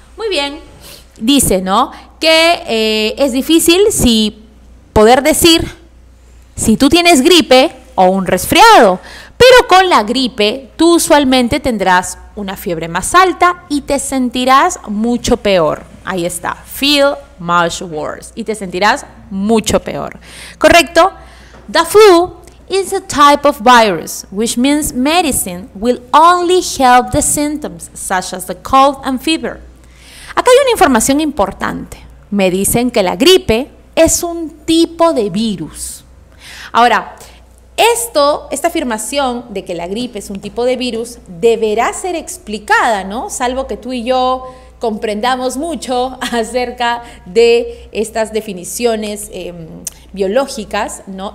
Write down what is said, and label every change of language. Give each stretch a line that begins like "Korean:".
Spanish: Muy bien, dice, ¿no? Que es difícil si poder decir si tú tienes gripe o un resfriado, pero con la gripe tú usualmente tendrás una fiebre más alta y te sentirás mucho peor. Ahí está,
English: feel much worse,
Spanish: y te sentirás mucho peor. ¿Correcto?
English: The flu is a type of virus, which means medicine will only help the symptoms, such as the cold and fever.
Spanish: Acá hay una información importante. Me dicen que la gripe es un tipo de virus. Ahora, esta afirmación de que la gripe es un tipo de virus deberá ser explicada, ¿no? Salvo que tú y yo comprendamos mucho acerca de estas definiciones biológicas, ¿no?